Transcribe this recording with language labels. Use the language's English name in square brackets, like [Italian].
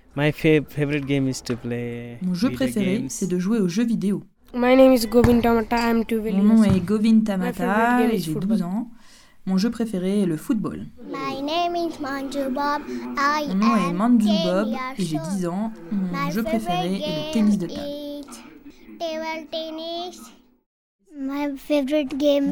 [English] My favorite game is to play. [French] Mon jeu préféré, c'est de jouer aux jeux vidéo. [English] My name is Govind Tamata, I'm 12 years old. [French] Mon nom est Govind Tamata et j'ai 12 ans. Mon jeu préféré est le football. [English] My name is Manju Bob. [French] Mon nom est Manju Bob et j'ai 10 ans. Mon jeu préféré est le tennis de table. [English] Table tennis. My favorite game